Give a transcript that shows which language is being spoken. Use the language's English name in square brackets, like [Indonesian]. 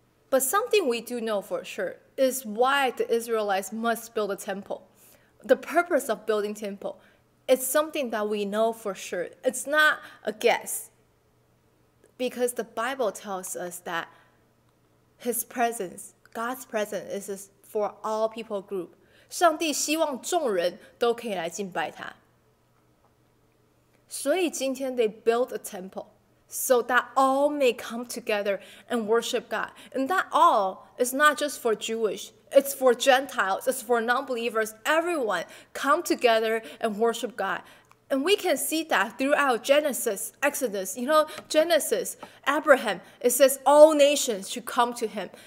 [English] But something we do know for sure is why the Israelites must build a temple. The purpose of building temple, it's something that we know for sure. It's not a guess. Because the Bible tells us that His presence, God's presence, is for all people group. [Chinese] 上帝希望众人都可以来敬拜他. [English] 所以今天 they built a temple so that all may come together and worship God. And that all is not just for Jewish, it's for Gentiles, it's for non-believers, everyone come together and worship God. And we can see that throughout Genesis, Exodus, you know, Genesis, Abraham, it says all nations should come to him.